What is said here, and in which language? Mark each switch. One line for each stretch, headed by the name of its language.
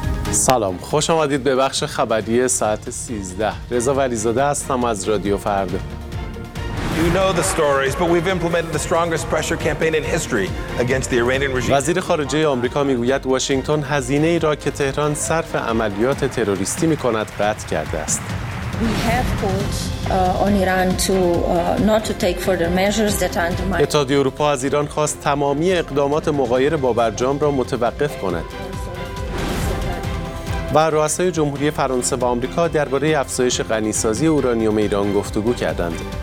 Persian: سلام، خوش آمدید به بخش خبری ساعت 13. رضا ولی‌زاده هستم از رادیو فردا.
English: You know the stories, but we've implemented the strongest pressure campaign in history against the Iranian regime.
Persian: وزیر خارجه آمریکا میگوید واشنگتن هزینه ای را که تهران صرف عملیات تروریستی میکند قطع کرده است.
English: We have called on Iran to not to take further measures that undermine.
Persian: اتحادیه اروپا از ایران خواست تمامی اقدامات مغایر بابرجام را متوقف کند. و رؤسای جمهوری فرانسه و آمریکا درباره افزایش غنی‌سازی اورانیوم ایران گفتگو کردند.